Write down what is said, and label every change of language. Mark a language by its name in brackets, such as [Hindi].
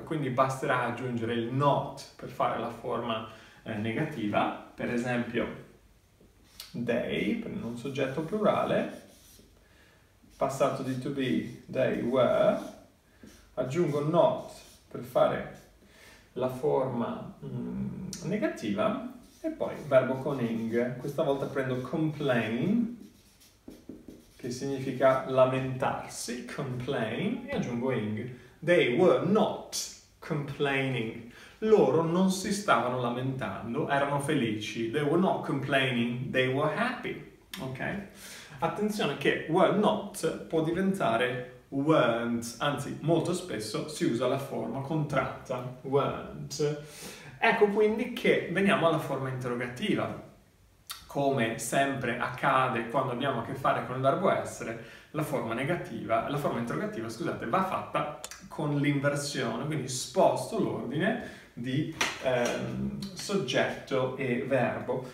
[Italian] Quindi basterà aggiungere il not per fare la forma negativa, per esempio they, per un soggetto plurale, passato di to be, they were, aggiungo not per fare la forma negativa e poi verbo con ing. Questa volta prendo complain, che significa lamentarsi, complain, e aggiungo ing. [English] They were not complaining. [Italian] Loro non si stavano lamentando, erano felici. [English] They were not complaining, they were happy. [Italian] Ok? Attenzione che were not può diventare weren't. Anzi, molto spesso si usa la forma contratta, weren't. Ecco quindi che veniamo alla forma interrogativa. Come sempre accade quando abbiamo a che fare con il verbo essere, la forma interrogativa, va fatta con l'inversione, quindi sposto l'ordine di soggetto e verbo.